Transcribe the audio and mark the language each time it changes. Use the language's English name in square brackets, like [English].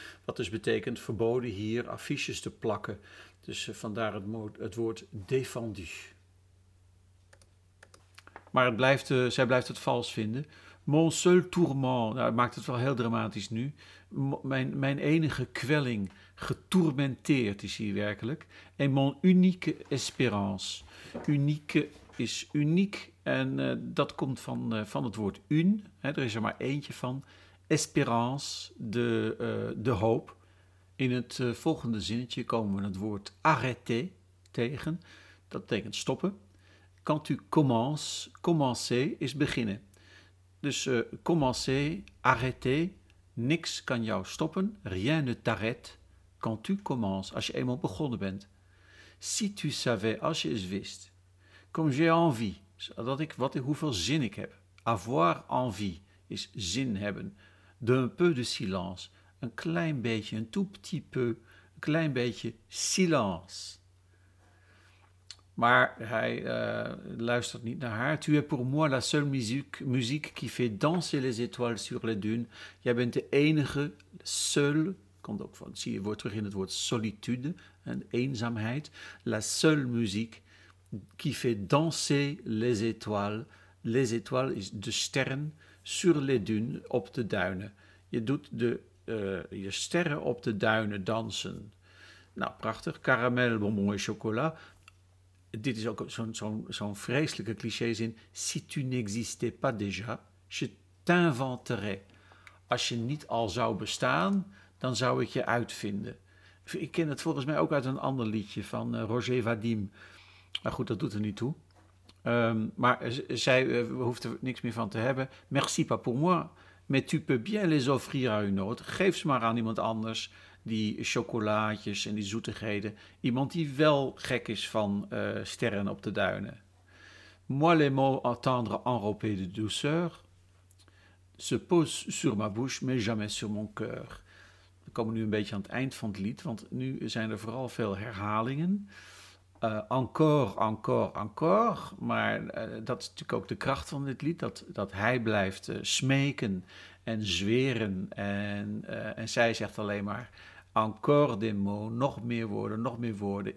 [Dutch] Wat dus betekent verboden hier affiches te plakken. Dus vandaar het woord défendu. Maar zij blijft het vals vinden. [French] Mon seul tourment, [Dutch] nou, dat maakt het wel heel dramatisch nu. Mijn enige kwelling, getourmenteerd is hier werkelijk. [French] En mon unique espérance. [Dutch] Unique is uniek en dat komt van het woord un. Hè, er is er maar eentje van. Espérance, de hoop. In het volgende zinnetje komen we het woord arrêter tegen. Dat betekent stoppen. [French] Quand tu commences, [Dutch] commencer is beginnen. Dus commencer, arrêter, niks kan jou stoppen. [French] Rien ne t'arrête quand tu commences, [Dutch] als je eenmaal begonnen bent. [French] Si tu savais, [Dutch] als je eens wist. [French] Comme j'ai envie, [Dutch] hoeveel zin ik heb. [French] Avoir envie [Dutch] is zin hebben. [French] D'un peu de silence, [Dutch] een klein beetje, [French] un tout petit peu, een klein beetje silence. [Dutch] Maar hij luistert niet naar haar. [French] Tu es pour moi la seule musique qui fait danser les étoiles sur les dunes. [Dutch] Jij bent de enige, seul, komt ook van, zie je, wordt terug in het woord solitude, en eenzaamheid. [French] La seule musique qui fait danser les étoiles. Les étoiles [Dutch] is de sterren [French] sur les dunes, [Dutch] op de duinen. Je doet je sterren op de duinen dansen. Nou, prachtig. Caramel, bonbon en chocola. dit is ook zo'n vreselijke clichézin. [French] Si tu n'existais pas déjà, je t'inventerais. [Dutch] Als je niet al zou bestaan, dan zou ik je uitvinden. Ik ken het volgens mij ook uit een ander liedje van Roger Vadim. Maar goed, dat doet er niet toe. Maar zij hoeft er niks meer van te hebben. [French] Merci pas pour moi, mais tu peux bien les offrir à une autre. [Dutch] Geef ze maar aan iemand anders, die chocolaatjes en die zoetigheden. Iemand die wel gek is van sterren op de duinen. [French] Moi les mots entendre enrobés de douceur se pose sur ma bouche, mais jamais sur mon cœur. [Dutch] We komen nu een beetje aan het eind van het lied, want nu zijn er vooral veel herhalingen. [French] Encore, encore, encore. [Dutch] Maar dat is natuurlijk ook de kracht van dit lied, dat hij blijft smeken en zweren. En zij zegt alleen maar, [French] encore des mots, [Dutch] nog meer woorden, nog meer woorden.